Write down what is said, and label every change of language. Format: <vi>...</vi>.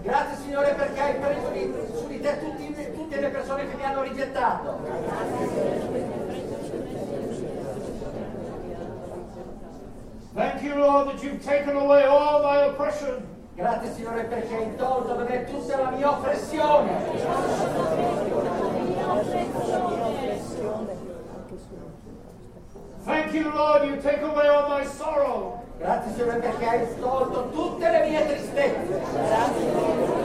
<it>Grazie Signore perché hai preso su di te tutte le persone che mi hanno rigettato.</it> <en>Thank you, Lord, that you've taken away all my oppression.</en> <it>Grazie Signore perché hai tolto da me tutta la mia oppressione.</it> <en>Thank you, Lord, you take away all my sorrow.</en> <it>Grazie Signore perché hai tolto tutte le mie tristezze.</it>